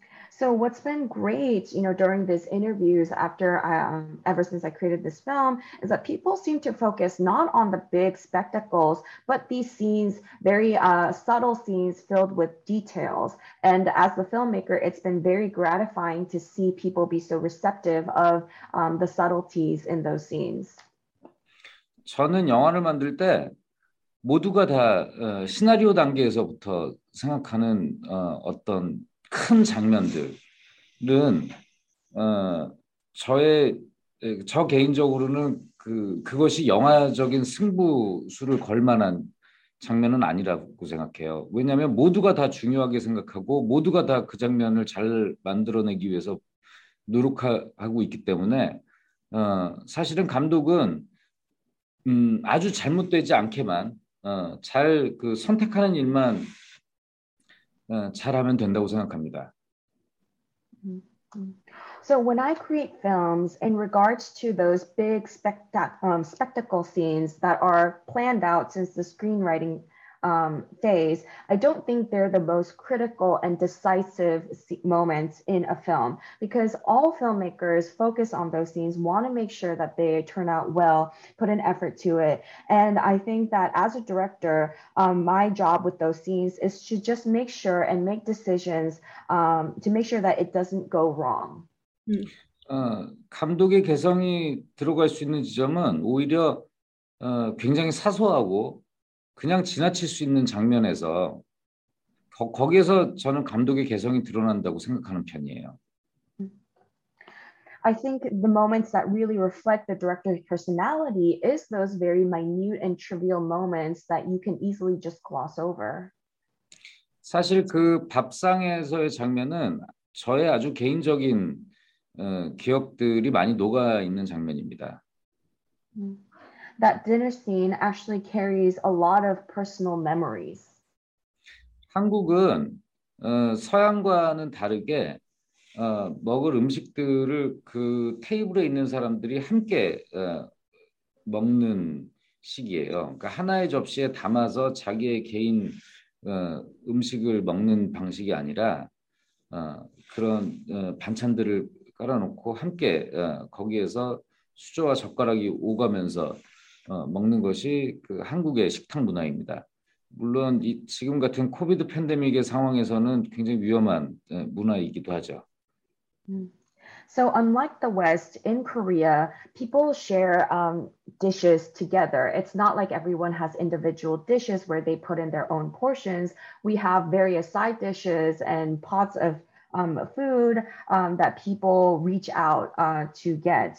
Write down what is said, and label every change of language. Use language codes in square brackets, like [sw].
[en] So what's been great, during these interviews after ever since I created this film, is that people seem to focus not on the big spectacles, but these scenes, very subtle scenes filled with details. And as the filmmaker, it's been very gratifying to see people be so receptive of the subtleties in those scenes. [ko] 저는 영화를 만들 때 모두가 다 시나리오 단계에서부터 생각하는 어떤 큰 장면들은 저 개인적으로는 그것이 영화적인 승부수를 걸 만한 장면은 아니라고 생각해요. 왜냐하면 모두가 다 중요하게 생각하고 모두가 다그 장면을 잘 만들어내기 위해서 노력하고 있기 때문에 사실은 감독은 아주 잘못되지 않게만 잘그 선택하는 일만 잘하면 된다고 생각합니다. [en] So when I create films in regards to those big spectacle scenes that are planned out since the screenwriting phase, I don't think they're the most critical and decisive moments in a film, because all filmmakers focus on those scenes, want to make sure that they turn out well, put an effort to it. And I think that as a director, my job with those scenes is to just make sure and make decisions to make sure that it doesn't go wrong. [ko] 감독의 개성이 들어갈 수 있는 지점은 오히려 굉장히 사소하고 그냥 지나칠 수 있는 장면에서 거기에서 저는 감독의 개성이 드러난다고 생각하는 편이에요. [en] I think the moments that really reflect the director's personality is those very minute and trivial moments that you can easily just gloss over. [ko] 사실 그 밥상에서의 장면은 저의 아주 개인적인 기억들이 많이 녹아 있는 장면입니다. [en] That dinner scene actually carries a lot of personal memories. [ko] 한국은 서양과는 다르게 먹을 음식들을 그 테이블에 있는 사람들이 함께 먹는 식이에요. 그러니까 하나의 접시에 담아서 자기의 개인 음식을 먹는 방식이 아니라 그런 반찬들을 깔아놓고 함께 거기에서 수저와 젓가락이 오가면서 먹는 것이 그 한국의 식탁 문화입니다. 물론 이 지금 같은 코비드 팬데믹의 상황에서는 굉장히 위험한 문화이기도 하죠. [en] So unlike the West, in Korea, people share dishes together. It's not like everyone has individual dishes where they put in their own portions. We have various side dishes and pots of food that people reach out to get.